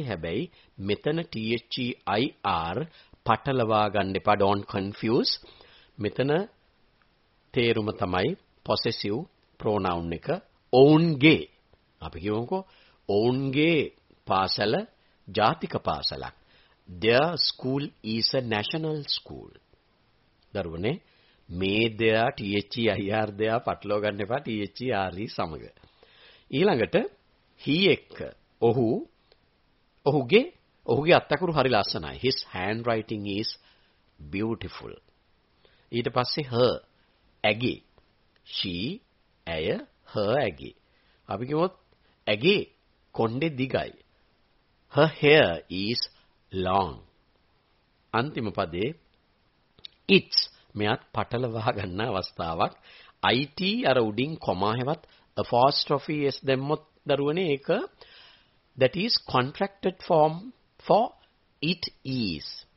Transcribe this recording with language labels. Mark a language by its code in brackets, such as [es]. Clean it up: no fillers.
[si] හැබැයි මෙතන THEIR පටලවා ගන්න එපා. [en] don't confuse. [si] මෙතන තේරුම තමයි possessive pronoun එක ඔවුන්ගේ. අපි කියමුකෝ ඔවුන්ගේ පාසල ජාතික පාසලක්. [en] their school is a national school. [si] දරුවනේ මේ දෙය THEIR දෙය පටලවා ගන්න එපා THERE සමග. ඊළඟට he එක ඔහුගේ අත්අකුරු හරි ලස්සනයි. [en] his handwriting is beautiful. [si] ඊට පස්සේ her ඇගේ. she ඇය her ඇගේ. අපි කිව්වොත් ඇගේ කොණ්ඩේ දිගයි. [en] her hair is long. [si] අන්තිම පදේ its මෙයත් පටලවා ගන්න අවස්ථාවක්. [en] it [si] අර උඩින් කොමා හැවත් [en] apostrophe s [si] දැම්මොත් දරුවනේ ඒක [en] that is contracted form for it is.